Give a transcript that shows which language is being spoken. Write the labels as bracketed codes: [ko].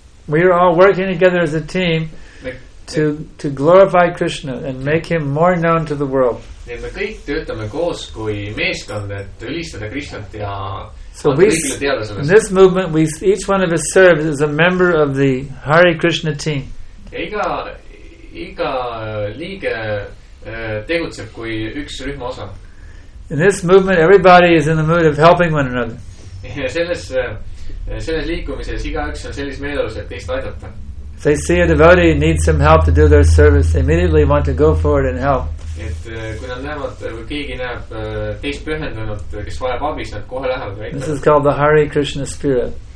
[en] We are all working together as a team to glorify Krishna and make him more known to the world. [et] Me kõik töötame koos kui meeskond, et ülistada Krishnat ja [en] so we, in this movement, we each one of us serves as a member of the Hare Krishna team. [et] Iga liige tegutseb kui üks rühma osa. [en] In this movement, everybody is in the mood of helping one another. [et] Ja selles liikumises iga üks on sellis meeldus, et teist aidata. [en] If they see a devotee needs some help to do their service, they immediately want to go forward and help. [et] Et kui nad näevad, kui keegi näeb teist pühendunud, kes vajab abis, nad kohe lähevad. [en] This is called the Hare Krishna spirit.